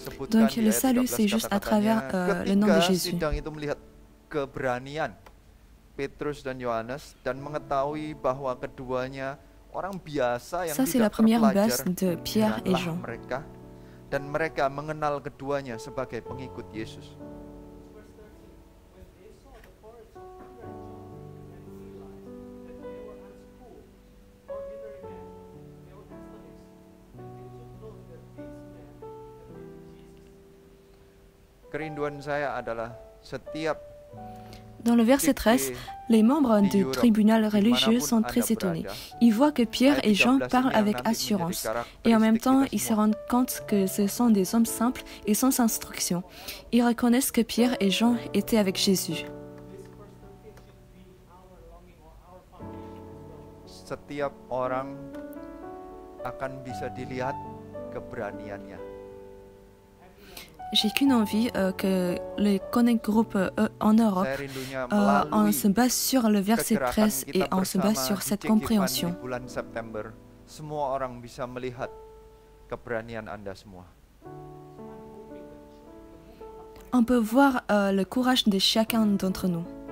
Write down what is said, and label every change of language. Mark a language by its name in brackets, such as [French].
[French] Donc le salut, c'est juste à travers le nom de Jésus. [Indonesian] Sidang itu melihat keberanian Petrus dan Yohanes dan mengetahui bahwa keduanya orang biasa yang tidak terpelajar. [French] Ça c'est la première base de Pierre et Jean. [Indonesian] Mereka, dan mereka mengenal keduanya sebagai pengikut Yesus. Kerinduan saya adalah setiap. [French] Dans le verset 13, les membres du tribunal religieux sont très étonnés. Ils voient que Pierre et Jean parlent avec assurance. Et en même temps, ils se rendent compte que ce sont des hommes simples et sans instruction. Ils reconnaissent que Pierre et Jean étaient avec Jésus. [Indonesian] Setiap orang akan bisa dilihat keberaniannya. [French] J'ai qu'une envie que les Connect Group en Europe on se base sur le verset 13 et on se base sur cette compréhension. [Indonesian] Bulan September, semua orang bisa melihat keberanian Anda semua. [French] On peut voir le courage de chacun d'entre nous.